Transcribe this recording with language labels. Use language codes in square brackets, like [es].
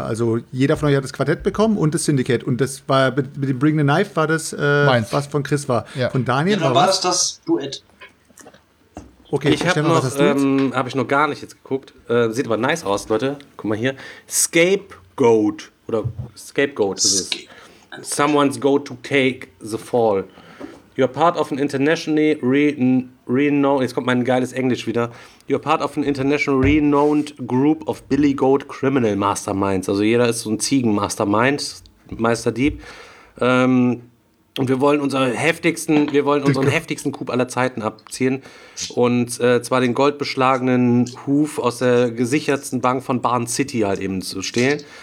[de] Also jeder von euch hat das Quartett bekommen und das Syndicate. Und das war mit dem Bring a Knife war das, was von Chris war. Ja. Von Daniel war was? Das Duett. Okay, ich habe noch, habe ich noch gar nicht jetzt geguckt. Sieht aber nice aus, Leute. Guck mal hier. Scapegoat. Oder Scapegoat ist es. [en] Someone's go to take the fall. You're part of an internationally renowned. [de] Jetzt kommt mein geiles Englisch wieder. [en] You're part of an international renowned group of Billy Goat Criminal Masterminds. [de] Also jeder ist so ein Ziegen-Mastermind, Meisterdieb. Und wir wollen unseren heftigsten Coup aller Zeiten abziehen. Und zwar den goldbeschlagenen Huf aus der gesichertsten Bank von Barn City halt eben zu stehlen.